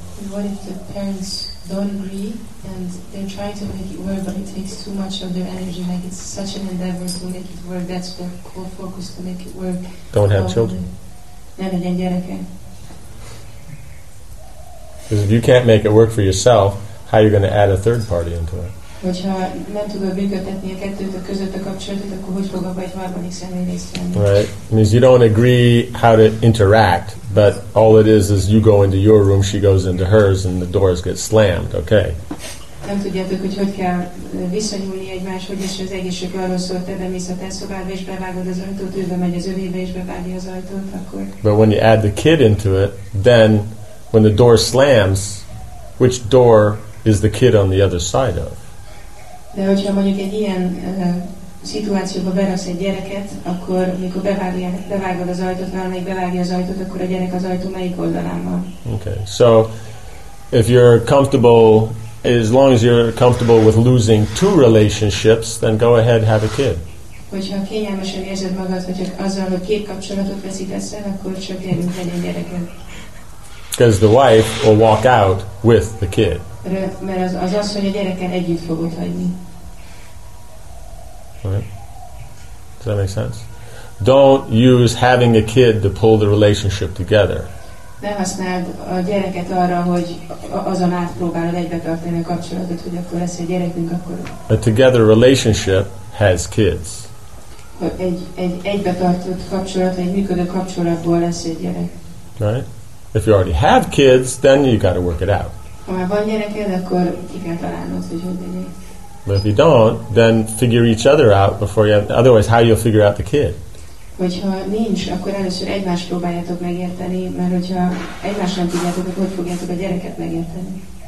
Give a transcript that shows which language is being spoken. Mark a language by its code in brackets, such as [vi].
[en] What if the parents don't agree and they're trying to make it work, but it takes too much of their energy, like it's such an endeavor to make it work, that's their core focus, to make it work. Don't have children. Never again, [hu] gyereken. [en] Because if you can't make it work for yourself, how are you going to add a third party into it? [hu] Hogyha nem tudod működtetni a kettőt a között a kapcsolatot, akkor hogy fog abba egy harmadik személy részt venni? [en] Right. Means you don't agree how to interact, but all it is you go into your room, she goes into hers, and the doors get slammed, okay? [hu] Nem tudjátok, hogy kell viszonyulni egymáshoz, és az egész csak arról szól, te bemész a te szobába, és bevágod az ajtót, ő bemegy az övébe, és bevágja az ajtót, akkor... [en] But when you add the kid into it, then when the door slams, which door is the kid on the other side of? [hu] De hogyha mondjuk egy ilyen szituációba beraksz egy gyereket, akkor mikor bevágod az ajtót, valamelyik bevágja az ajtót, akkor a gyerek az ajtó melyik oldalán van? [en] Okay, so if you're comfortable, as long as you're comfortable with losing two relationships, then go ahead, have a kid. [hu] Hogyha kényelmesen érzed magad, hogy azzal, hogy két kapcsolatot veszítesz el, akkor csak gyerünk legyen gyereket. [en] Because the wife will walk out with the kid. [hu] Mert az, hogy a gyereken együtt fogod hagyni. [en] Right. Does that make sense? Don't use having a kid to pull the relationship together. [hu] Ne használd a gyereket arra, hogy azon átpróbálod egybetartani a kapcsolatot, hogy akkor lesz egy gyerekünk, akkor... [en] A together relationship has kids. [hu] Egy egybetartott kapcsolat, egy működő kapcsolatból lesz egy gyerek. [en] Right? If you already have kids, then you got to work it out. [hu] Ha már van gyereked, akkor ki kell találnod, hogy hogy legyen. [en] But if you don't, then figure each other out before you have, otherwise how you'll figure out the kid. [hu] Hogyha nincs, akkor először egymást próbáljátok megérteni, mert hogyha egymást nem tudjátok, akkor hogy fogjátok a gyereket megérteni?